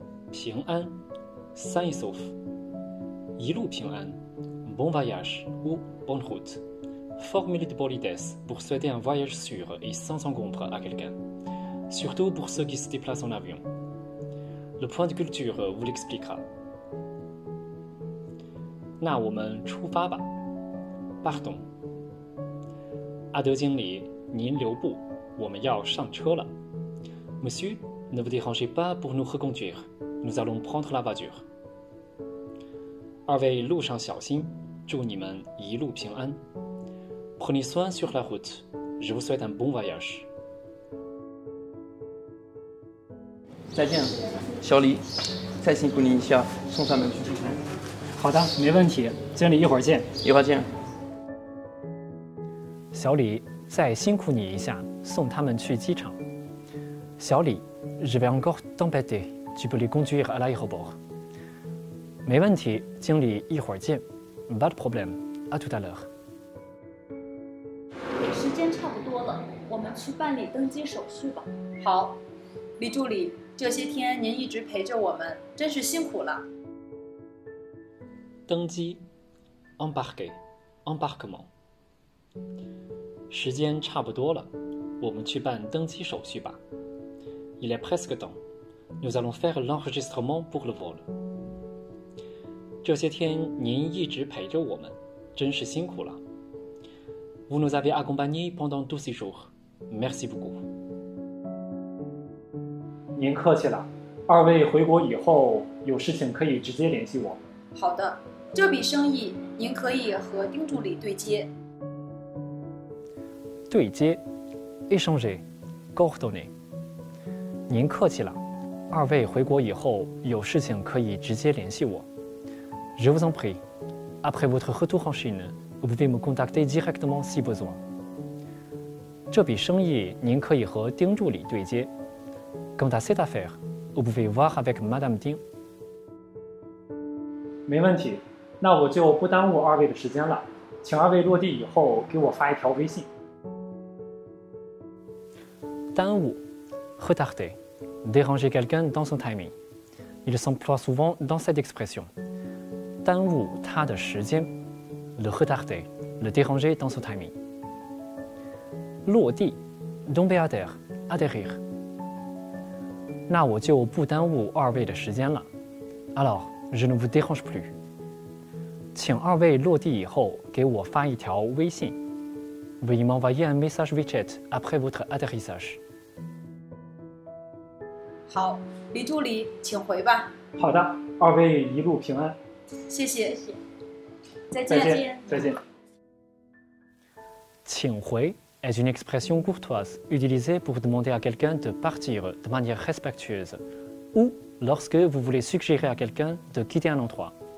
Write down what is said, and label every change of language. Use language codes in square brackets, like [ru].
[fr] 平安 ，sain et sauf， 一路平安 ，bon voyage ou bonne route， formule de politesse pour souhaiter un voyage sûr et sans encombre à quelqu'un， surtout pour ceux qui se déplacent en avion. Le point de culture vous l'expliquera. [zh] 那我们出发吧 ，partons. 阿德经理，您留步，我们要上车了。 [fr] Monsieur, ne vous dérangez pas pour nous reconduire. Nous allons prendre la voiture. [zh] 二位路上小心，祝你们一路平安。 [fr] Prenez soin sur la route. Je vous souhaite un bon voyage. [zh] 再见，小李，再辛苦您一下，送上门去。好的，没问题。经理，一会儿见。一会儿见。小李，再辛苦你一下，送他们去机场。 [fr] 小李 ，je vais encore t'embêter. Tu peux les conduire à l'aéroport. [zh] 没问题，经理，一会儿见。 [fr] Pas de problème. À tout à l'heure. [zh] 时间差不多了，我们去办理登机手续吧。好，李助理，这些天您一直陪着我们，真是辛苦了。 [fr] 登机 ，embarquement. [zh] 时间差不多了，我们去办登机手续吧。 [fr] Il est presque temps. Nous allons faire l'enregistrement pour le vol. [zh] 这些天您一直陪着我们，真是辛苦了。 [fr] Vous nous avez accompagnés pendant tous ces jours. Merci beaucoup. [zh] 您客气了。二位回国以后有事情可以直接联系我。好的，这笔生意您可以和丁助理对接。对接 ， [fr] échanger, coordonner. [zh] 您客气了。二位回国以后有事情可以直接联系我。 [fr] Je vous en prie. Après votre retour en Chine, vous pouvez me contacter directement si besoin. [zh] 这笔生意您可以和丁助理对接。 [fr] Quant à cette affaire, vous pouvez voir avec Madame Ding. [zh] 没问题，那我就不耽误二位的时间了，请二位落地以后给我发一条微信。 [fr] 耽误 retarder, déranger quelqu'un dans son timing. Il s'emploie souvent dans cette expression. [zh] 耽误他的时间 [fr] le retarder, le déranger dans son timing. 落地 tomber à terre, atterrir. [zh] 那我就不耽误二位的时间了。 [fr] Alors, je ne vous dérange plus. [zh] 请二位落地以后给我发一条微信。 [fr] Veuillez m'envoyer un message WeChat après votre atterrissage. [zh] 好，李助理，请回吧。好的，二位一路平安。谢谢，谢谢。再见。 [fr] 请回 est une expression courtoise utilisée pour demander à quelqu'un de partir de manière respectueuse ou lorsque vous voulez suggérer à quelqu'un de quitter un endroit.